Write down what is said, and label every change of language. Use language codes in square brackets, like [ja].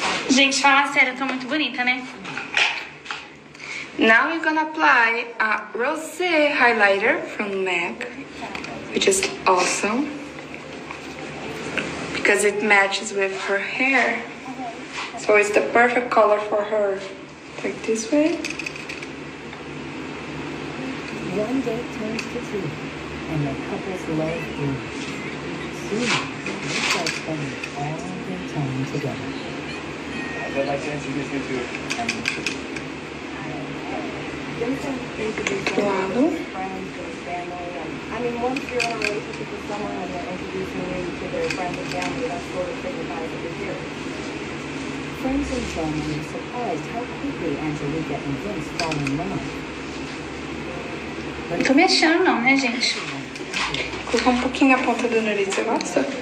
[pt] Gente, fala sério, eu tô muito bonita, né? [en] Now we're gonna apply a rosé highlighter from MAC, which is awesome because it matches with her hair. So it's the perfect color for her. Like this way. One day turns to two, and the couple's leg moves. Soon, they start spending all their time together. I'd like to introduce you to Vincent. Vincent is a good friend, family. I mean, once you're in a relationship with someone and they're introducing you to their friends and family, that's sort of signifies that you're here. Friends and family are surprised how quickly Angelica and Vince fall in love. [pt] Não tô me achando não, né, gente? Colocou um pouquinho a ponta do nariz, você gosta?